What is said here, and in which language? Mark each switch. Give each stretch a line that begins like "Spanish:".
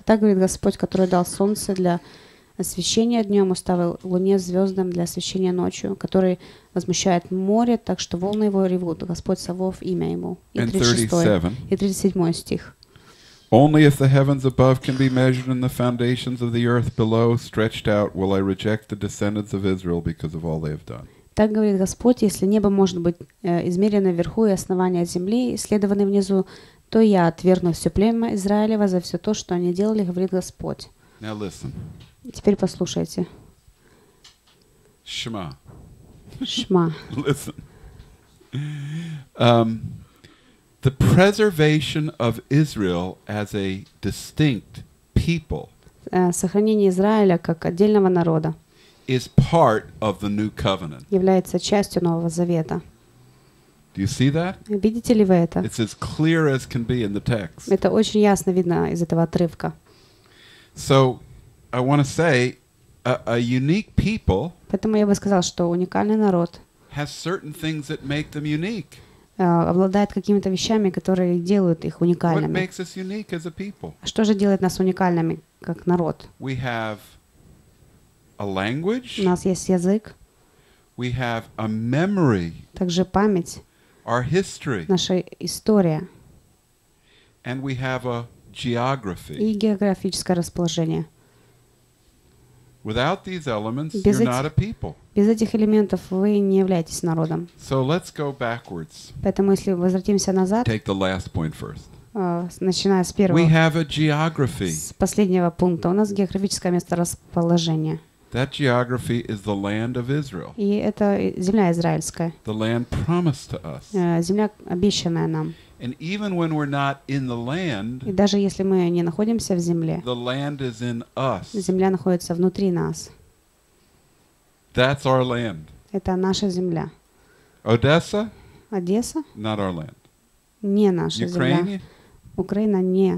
Russian: Так говорит Господь, который дал солнце для освещение днем, уставил луне звездам для освещения ночью, который возмущает море, так что волны его ревут. Господь Савов, имя ему. И 37 стих.
English: Only if the heavens above can be measured and the foundations of the earth below stretched out, will I reject the descendants of Israel because of all they have done.
Russian: Так говорит Господь, если небо может быть измерено вверху и основания земли исследованы внизу, то я отвергну все племя Израилева за все то, что они делали, говорит Господь.
English: Now listen.
Russian: Теперь послушайте.
Hebrew: Шма. Шма.
English: Listen. The preservation of Israel as a distinct people.
Russian: Сохранение Израиля как отдельного народа.
English: Is part of the new covenant.
Russian: Является частью Нового Завета.
English: Do you see that?
Russian: Видите ли вы это?
English: It's as clear as can be in the text.
Russian: Это очень ясно видно из этого отрывка.
English: So I want to say a unique people.
Russian: Поэтому я бы сказал, что уникальный народ.
English: Has certain things that make them unique.
Russian: Обладает какими-то вещами, которые делают их уникальными.
English: What makes us unique as a people?
Russian: Что же делает нас уникальными как народ?
English: We have a language.
Russian: У нас есть язык.
English: We have a memory.
Russian: Также память.
English: Our history.
Russian: Наша история.
English: And we have a geography.
Russian: И географическое расположение.
English: Without these elements, you're not a people.
Russian: Без этих элементов вы не являетесь народом.
English: So let's go backwards.
Russian: Поэтому если возвратимся назад.
English: Take the last point first.
Russian: Начиная с первого.
English: We have a geography.
Russian: С последнего пункта у нас географическое месторасположение.
English: That geography is the land of Israel.
Russian: И это земля израильская.
English: The land promised to us.
Russian: Земля обещанная нам.
English: And even when we're not in the land,
Russian: и даже если мы не находимся в земле,
English: the land is in us.
Russian: Земля находится внутри нас.
English: That's our land.
Russian: Это наша земля.
English: Odessa?
Russian: Одесса?
English: Not our land.
Russian: Не наша
English: Ukraine?
Russian: Земля. Украина не.